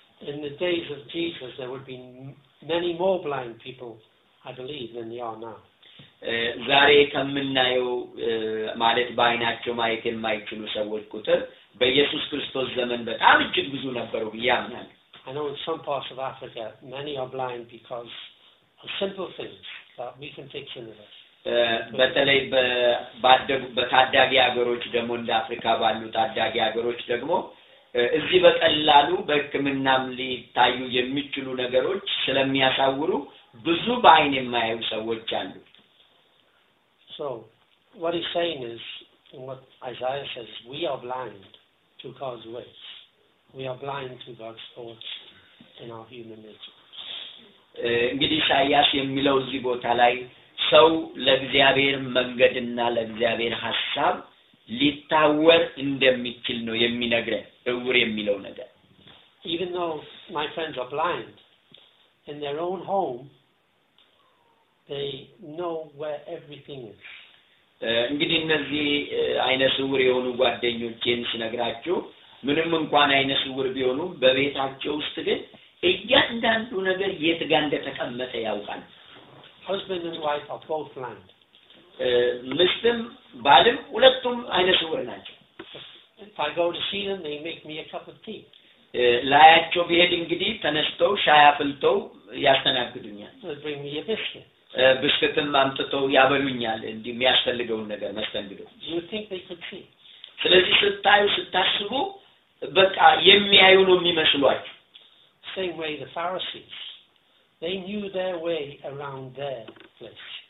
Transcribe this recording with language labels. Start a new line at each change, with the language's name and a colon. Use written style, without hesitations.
English: In the days of Jesus, there would be many more blind people, I believe, than there are now.
Amharic: ዛሬ ከምናየው ማለት በአይናቸው ማየት የማይችሉ ሰዎች ቁጥር በኢየሱስ ክርስቶስ ዘመን በጣም እጅግ ብዙ ነበሩ ይያምናል.
English: I know in some parts of Africa many are blind because of simple things that we can fix in us.
Amharic: በተለይ በታዳጊ ሀገሮች ደግሞ እንደ አፍሪካ ባሉ ታዳጊ ሀገሮች ደግሞ እዚህ በቀላሉ በሕክምናም ሊታዩ የሚችሉ ነገሮች ስለሚያሳውሩ ብዙ በአይን የማያዩ ሰዎች አሉ.
English: So what he's saying is, and what Isaiah says, we are blind to God's ways. We are blind to God's thoughts in our human nature.
Amharic: እንግዲህ ኢሳይያስ የሚለው እዚህ ቦታ ላይ ሰው ለእግዚአብሔር መንገድና ለእግዚአብሔር ሐሳብ ሊታወር እንደሚችል ነው የሚነግረው እውር የሚለው ነገር.
English: Even though my friends are blind in their own home, they know where everything is.
Amharic: እንግዲህ እነዚህ አይነ ስውር የሆኑ ጓደኞቼን ስነግራቸው ምንም እንኳን አይነ ስውር ቢሆኑ በቤታቸው ውስጥ ግን እያንዳንዱ ነገር የት ጋር እንደተቀመጠ ያውቃል.
English: Husband and wife are both blind.
Amharic: ምስትም ባልም ሁለቱም አይነ ስውር ናቸው.
English: If I go to see them, they make me a cup of tea.
Amharic: ላያቸው ብሄድ እንግዲህ ተነስተው ሻይ አፍልተው ያስተናግዱኛል.
English: They bring me a biscuit.
Amharic: በስተትም አምጥተው ያበሉኛል እንዴ የሚያስፈልገውን ነገር መስተንግደው.
English: You think they could see.
Amharic: ስለዚህ ስታዩ ስታስቡ በቃ የሚያዩ ነው የሚመስሏችሁ.
English: Same way the Pharisees, they knew their way around their place.